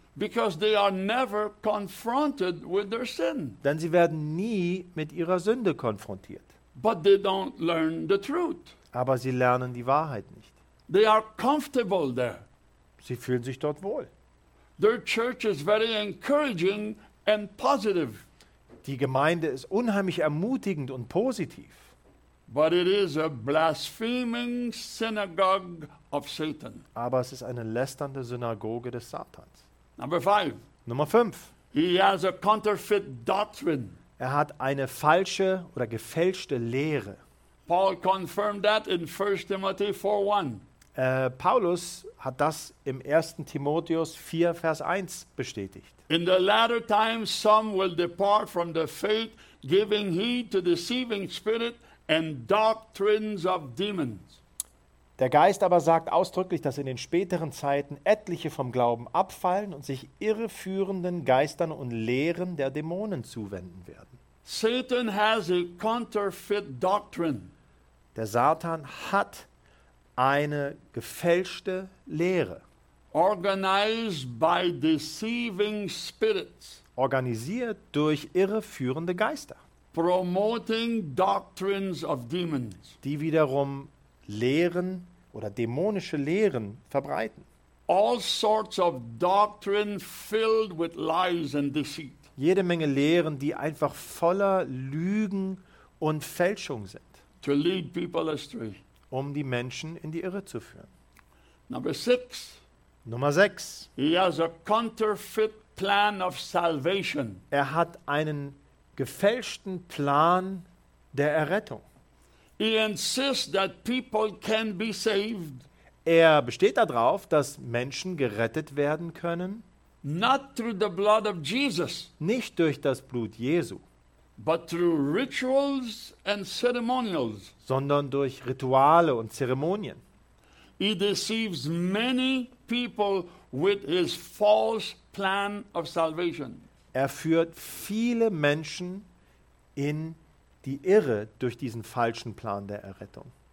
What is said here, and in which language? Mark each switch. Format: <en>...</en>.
<en>Because they are never confronted with their sin.</en> <de>Denn sie werden nie mit ihrer Sünde konfrontiert.</de> <en>But they don't learn the truth.</en> <de>Aber sie lernen die Wahrheit nicht.</de> <en>They are comfortable there.</en> <de>Sie fühlen sich dort wohl.</de> <en>Their church is very encouraging and positive.</en> <de>Die Gemeinde ist unheimlich ermutigend und positiv.</de> <en>But it is a blaspheming synagogue of Satan.</en> <de>Aber es ist eine lästernde Synagoge des Satans.</de> <en>Number five.</en> <de>Nummer 5.</de> <en>He has a counterfeit doctrine.</en> <de>Er hat eine falsche oder gefälschte Lehre.</de> <en>Paul confirmed that in 1 Timothy 4:1.</en> <de>Paulus hat das im 1. Timotheus 4, Vers 1 bestätigt.</de> <en>In the latter times some will depart from the faith, giving heed to deceiving spirit and doctrines of demons.</en> <de>Der Geist aber sagt ausdrücklich, dass in den späteren Zeiten etliche vom Glauben abfallen und sich irreführenden Geistern und Lehren der Dämonen zuwenden werden.</de> <en>Satan has a counterfeit doctrine.</en> <de>Der Satan hat eine gefälschte Lehre.</de> <en>Organized by deceiving spirits.</en> <de>Organisiert durch irreführende Geister.</de> <en>Promoting doctrines of demons.</en> <de>Die wiederum Lehren oder dämonische Lehren verbreiten.</de> <en>All sorts of doctrine filled with lies and deceit.</en> <de>Jede Menge Lehren, die einfach voller Lügen und Fälschung sind.</de> <en>To lead people astray.</en> <de>Um die Menschen in die Irre zu führen.</de> <en>Number six.</en> <de>Nummer 6.</de> <en>He has a counterfeit plan of salvation.</en> <de>Er hat einen gefälschten Plan der Errettung.</de> <en>He insists that people can be saved.</en> <de>Er besteht darauf, dass Menschen gerettet werden können.</de> <en>Not through the blood of Jesus.</en> <de>Nicht durch das Blut Jesu.</de> <en>But through rituals and ceremonials.</en> <de>Sondern durch Rituale und Zeremonien.</de> <en>He deceives many people with his false plan of salvation.</en> <de>Er führt viele Menschen in die Irre durch diesen falschen Plan der Errettung.</de>